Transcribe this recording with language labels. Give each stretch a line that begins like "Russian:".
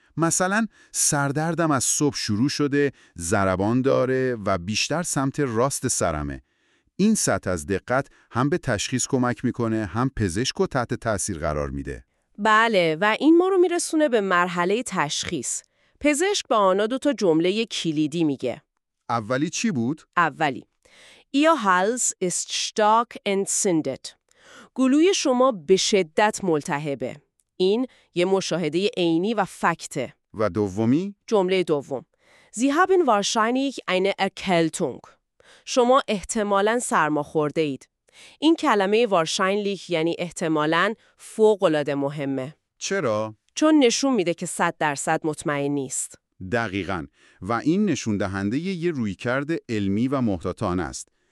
Persian: مثلا سردردم از صبح شروع شده، ضربان داره و بیشتر سمت راست سرمه. این سطح از دقت هم به تشخیص کمک میکنه هم پزشک رو تحت تاثیر قرار میده. بله، و این ما رو میرسونه به مرحله تشخیص. پزشک به آنا دو تا جمله کلیدی میگه. اولی چی بود؟
German: اولی: Ihr Hals ist stark entzündet.
Persian: گلوی شما به شدت ملتهبه. این یه مشاهده عینی و فکته. و دومی؟
German: جمله دوم: Sie haben wahrscheinlich eine Erkältung.
Persian: شما احتمالاً سرما خورده اید. این کلمه wahrscheinlich یعنی احتمالاً فوق‌العاده مهمه. چرا؟ چون نشون میده که 100% مطمئن نیست. دقیقاً، و این نشون دهنده یه رویکرد علمی و محتاطان است.